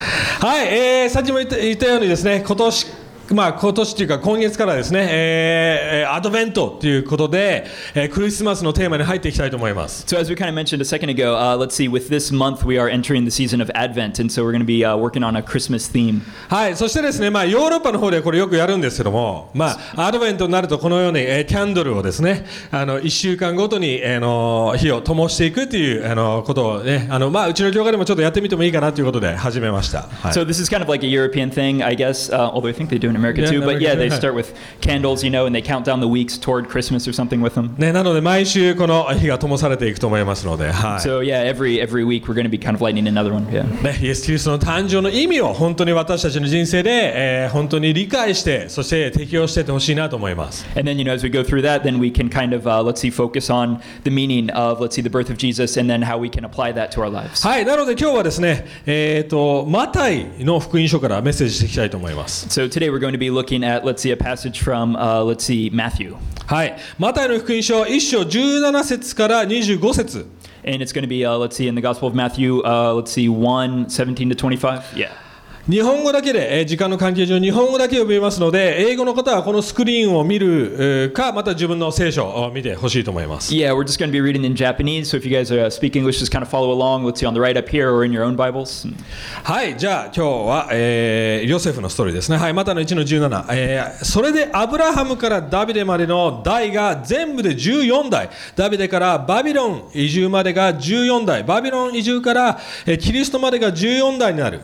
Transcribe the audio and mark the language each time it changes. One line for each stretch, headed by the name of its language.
Japanese: はい、さっきも言ったようにですね、今年まあ、今年というか今月からですね、アドベントということで、クリスマスのテーマに入っていきたいと思います。
English: So as we kind of mentioned a second ago, let's see, with this month we are entering the season of Advent, and so we're going to be working on a Christmas theme.
Japanese: はい、そしてですね、まあ、ヨーロッパの方ではこれよくやるんですけども、まあ、アドベントになるとこのように、キャンドルをですね、1週間ごとに、火を灯していくという、ことをね、まあ、うちの教会でもちょっとやってみてもいいかなということで始めました。はい、
English: So this is kind of like a European thing, I guess, although I think they doin America too, but yeah, they start with candles, you know, and they count down the weeks toward Christmas or something with them.
Japanese: ね、なので毎週この火が灯されていくと思いますので、はい。
English: So yeah, every week we're going to be kind of lighting another one. Yeah.
Japanese: ね、イエス・キリストの誕生の意味を本当に私たちの人生で、本当に理解して、そして適用しててほしいなと思います。
English: And then you know, as we go through that, then we can kind of let's see, focus on the meaning of let's see, the birth of Jesus, and then how we can apply that to our lives.
Japanese: はい、なので今日はですね、マタイの福音書からメッセージしていきたいと思います。
English: So today we're going to be looking at, let's see, a passage from, let's see, Matthew.
Japanese: はい。マタイの福音書1章17節から25節。
English: And it's going to be, let's see, in the Gospel of Matthew, let's see, 1, 17 to 25. Yeah.
Japanese: 日本語だけで、時間の関係上日本語だけ読みますので、英語の方はこのスクリーンを見るか、また自分の聖書を見てほしいと思います。
English: Yeah, we're just going to be reading in Japanese, so if you guys are speak English, just kind of follow along. Let's see on the right up here or in your own Bibles.
Japanese: はい、じゃあ今日は、ヨセフのストーリーですね。はい、マタの1の17、それでアブラハムからダビデまでの代が全部で14代。ダビデからバビロン移住までが14代。バビロン移住から、キリストまでが14代になる。